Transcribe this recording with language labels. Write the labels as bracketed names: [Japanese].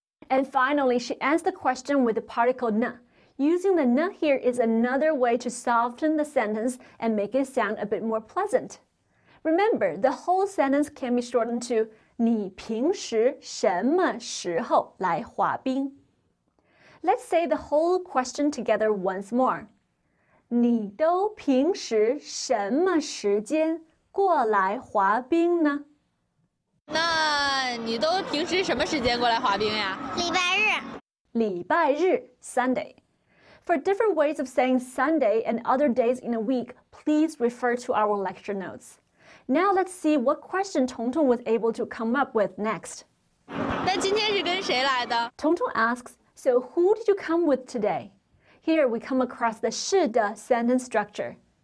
[English] And finally, she ends the question with the particle 呢. Using the 呢 here is another way to soften the sentence and make it sound a bit more pleasant. Remember, the whole sentence can be shortened to [Chinese] 你平时什么时候来滑冰? [English] Let's say the whole question together once more. [Chinese] 你都平时什么时间过来滑冰呢? 那你都平时什么时间过来滑冰呀? 礼拜日。礼拜日, Sunday. [English] For different ways of saying Sunday and other days in a week, please refer to our lecture notes. Now let's see what question Tong Tong was able to come up with next. [Chinese] 那今天是跟谁来的? [English] Tong Tong asks, so who did you come with today? Here we come across the 是的 sentence structure.